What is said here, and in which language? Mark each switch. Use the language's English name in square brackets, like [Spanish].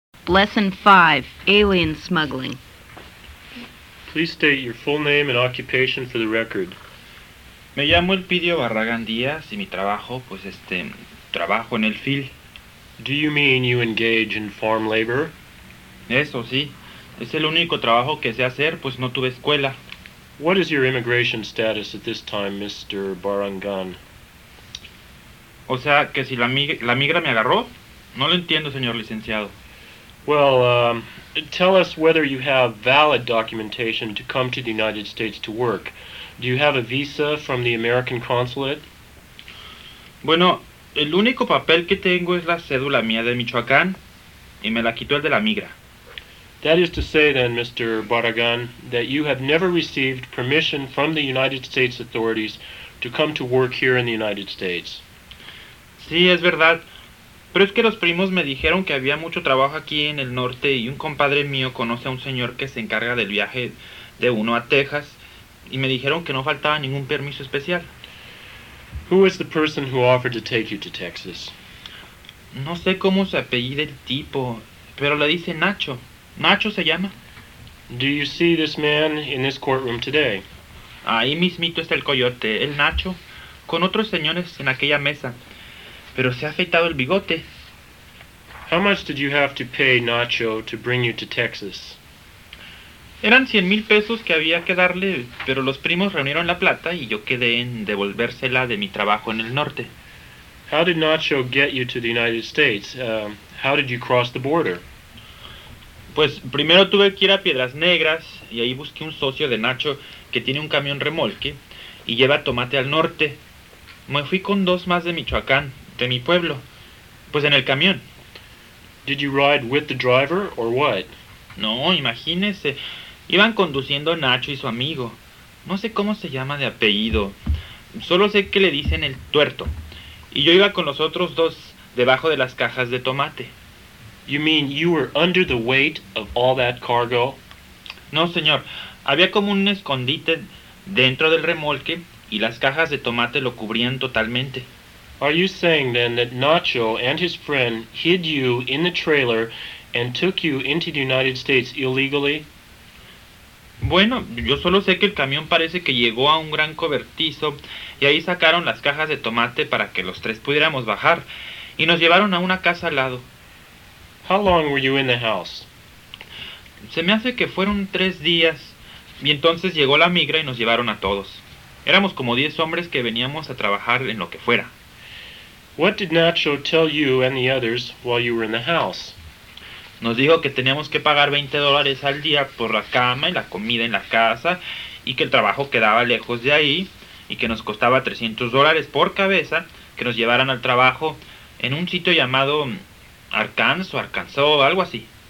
[English] Lesson 5, Alien Smuggling. Please state your full name and occupation for the record. [Spanish] Me llamo Elpidio Barragán Díaz y mi trabajo, pues trabajo en el FIL. [English] Do you mean you engage in farm labor? [Spanish] Eso sí, es el único trabajo que sé hacer, pues no tuve escuela. [English] What is your immigration status at this time, Mr. Barragán? [Spanish] O sea, que si la migra me agarró, no lo entiendo, señor licenciado. [English] Well, tell us whether you have valid documentation to come to the United States to work. Do you have a visa from the American consulate? [Spanish] Bueno, el único papel que tengo es la cédula mía de Michoacán, y me la quitó el de la migra. [English] That is to say then, Mr. Barragán, that you have never received permission from the United States authorities to come to work here in the United States. [Spanish] Sí, es verdad. Pero es que los primos me dijeron que había mucho trabajo aquí en el norte y un compadre mío conoce a un señor que se encarga del viaje de uno a Texas y me dijeron que no faltaba ningún permiso especial. [English] Who is the person who offered to take you to Texas? [Spanish] No sé cómo se apellida el tipo, pero le dice Nacho. Nacho se llama. [English] Do you see this man in this courtroom today? [Spanish] Ahí mismito está el coyote, el Nacho, con otros señores en aquella mesa. Pero se ha afeitado el bigote. [English] How much did you have to pay Nacho to bring you to Texas? [Spanish] Eran 100,000 pesos que había que darle, pero los primos reunieron la plata y yo quedé en devolvérsela de mi trabajo en el norte. [English] How did Nacho get you to the United States? How did you cross the border? [Spanish] Pues primero tuve que ir a Piedras Negras y ahí busqué un socio de Nacho que tiene un camión remolque y lleva tomate al norte. Me fui con dos más de Michoacán. De mi pueblo, pues en el camión. [English] Did you ride with the driver or what? [Spanish] No, imagínese, iban conduciendo Nacho y su amigo. No sé cómo se llama de apellido, solo sé que le dicen el tuerto. Y yo iba con los otros dos debajo de las cajas de tomate. [English] You mean you were under the weight of all that cargo? [Spanish] No, señor, había como un escondite dentro del remolque y las cajas de tomate lo cubrían totalmente. [English] Are you saying then that Nacho and his friend hid you in the trailer and took you into the United States illegally? [Spanish] Bueno, yo solo sé que el camión parece que llegó a un gran cobertizo y ahí sacaron las cajas de tomate para que los tres pudiéramos bajar y nos llevaron a una casa al lado. [English] How long were you in the house? [Spanish] Se me hace que fueron 3 días y entonces llegó la migra y nos llevaron a todos. Éramos como 10 hombres que veníamos a trabajar en lo que fuera. [English] What did Nacho tell you and the others while you were in the house? [Spanish] Nos dijo que teníamos que pagar $20 al día por la cama y la comida en la casa, y que el trabajo quedaba lejos de ahí, y que nos costaba $300 por cabeza que nos llevaran al trabajo en un sitio llamado Arkansas o Arkansas, algo así.